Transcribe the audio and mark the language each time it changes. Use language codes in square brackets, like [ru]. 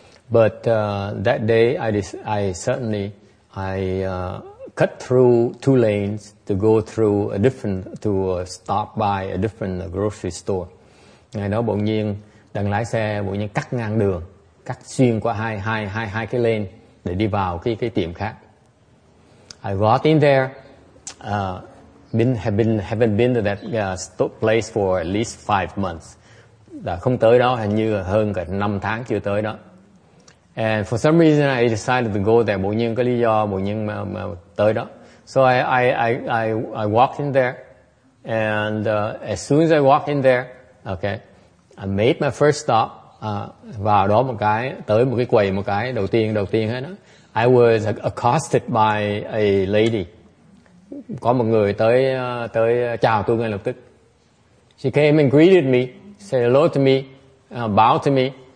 [en] But that day I cut through two lanes to go through a different to stop by a different grocery store. [vi] Ngày đó bỗng nhiên đang lái xe, bỗng nhiên cắt ngang đường, cắt xuyên qua hai cái lane để đi vào cái tiệm khác. [en] I got in there, haven't been to that place for at least 5 months. [vi] Đã không tới đó, hình như hơn cả 5 tháng chưa tới đó. [en] And for some reason I decided to go there, [vi] bỗng nhiên có lý do, bỗng nhiên mà tới đó. [en] So I walked in there, and as soon as I walked in there, okay, I made my first stop. [vi] Vào đó một cái, tới một cái quầy một cái, đầu tiên hết đó. [en] I was accosted by a lady. [vi] Có một người tới chào tôi ngay lập tức. [en] She came and greeted me, said hello to me, bowed to me.